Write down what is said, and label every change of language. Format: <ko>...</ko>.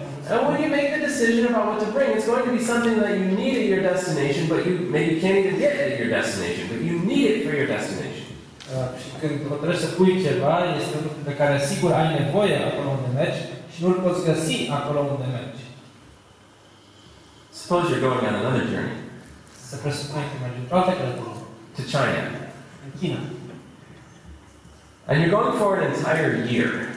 <en>And when you make the decision about what to bring, it's going to be something that you need at your destination, but you maybe can't even get at your destination, but you need it for your destination.</en> <ro>Și când trebuie să pui ceva, este un lucru pe care sigur ai nevoie acolo unde mergi și nu-l poți găsi acolo unde mergi.</ro> <en>Suppose you're going on another journey.</en> <ro>Să presupunem că mergi într-o altă călătorie.</ro> <en>To China.</en> <ro>În China.</ro> <en>And you're going for an entire year.</en>